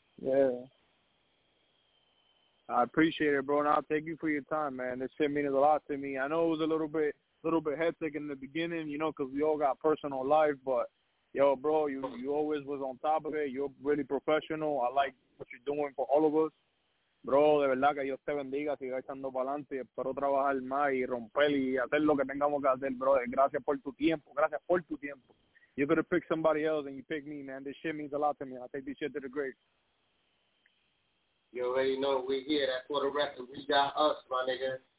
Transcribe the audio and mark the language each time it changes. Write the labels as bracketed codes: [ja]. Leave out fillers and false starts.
[en] Yeah. I appreciate it, bro. And I'll thank you for your time, man. This shit means a lot to me. I know it was a little bit hectic in the beginning, you know, because we all got personal life. But, yo, bro, you always was on top of it. You're really professional. I like what you're doing for all of us. [es] Bro, de verdad que Dios te bendiga, siga echando para adelante, espero trabajar más y romper y hacer lo que tengamos que hacer, bro. Gracias por tu tiempo, gracias por tu tiempo. [en] You could have picked somebody else and you picked me, man. This shit means a lot to me. I take this shit to the grave. You already know we're here. That's for the record. We got us, my nigga.